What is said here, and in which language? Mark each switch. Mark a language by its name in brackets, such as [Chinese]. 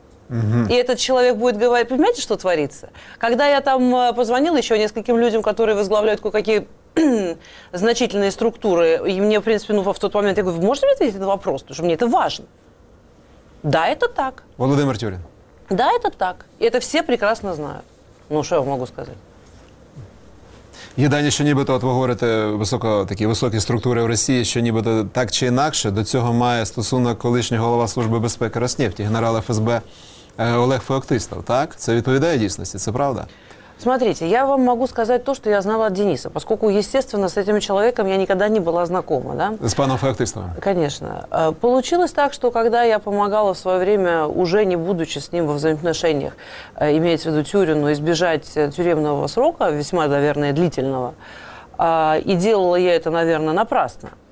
[Russian] И этот человек будет говорить, понимаете, что творится? Когда я там позвонила еще нескольким людям, которые возглавляют кое-какие значительные структуры, и мне, в принципе, ну, в тот момент, я говорю, можете мне ответить на вопрос, потому что мне это важно. Да, это так. Владимир Тюрин. Да, это так. И это все прекрасно знают. Ну, что я могу сказать? [Ukrainian] Єдине, що нібито, от ви говорите, високо, такі високі структури в Росії, що нібито так чи інакше, до цього має стосунок колишнього голова Служби безпеки Роснефті, генерал ФСБ Олег Феоктистов, так? Це відповідає дійсності, це правда? [Russian] Смотрите, я вам могу сказать то, что я знала от Дениса, поскольку, естественно, с этим человеком я никогда не была знакома, да? С паном Феоктистовым? Конечно. Получилось так, что когда я помогала в свое время, уже не будучи с ним во взаимоотношениях, имеется в виду Тюрину, избежать тюремного срока, весьма, наверное, длительного, и делала я это, наверное, напрасно.